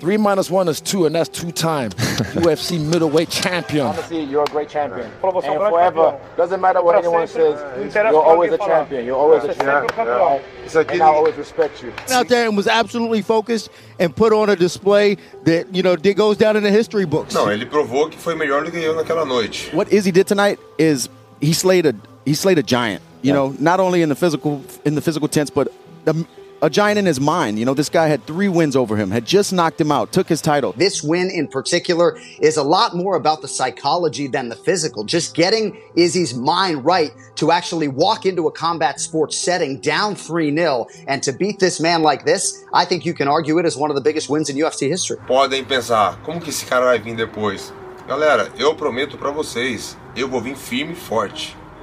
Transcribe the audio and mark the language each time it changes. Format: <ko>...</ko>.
<en>3-1 is 2, and that's 2-time UFC middleweight champion. Honestly, you're a great champion. And forever, doesn't matter what anyone says, you're always a champion. You're always a champion. Yeah. And I always respect you. Went out there and was absolutely focused and put on a display that, you know, that goes down in the history books.</en> <pt>No, ele provou que foi melhor do que eu naquela noite.</pt> <en>What Izzy did tonight is he slayed a giant. You yeah. know, not only in the physical tense, but a giant in his mind. You know, this guy had 3 wins over him, had just knocked him out, took his title. This win in particular is a lot more about the psychology than the physical. Just getting Izzy's mind right to actually walk into a combat sports setting down 3-0 and to beat this man like this, I think you can argue it as one of the biggest wins in UFC history.</en> <pt>Podem pensar, como que esse cara vai vir depois? Galera, eu prometo pra vocês, eu vou vir firme e forte.</pt>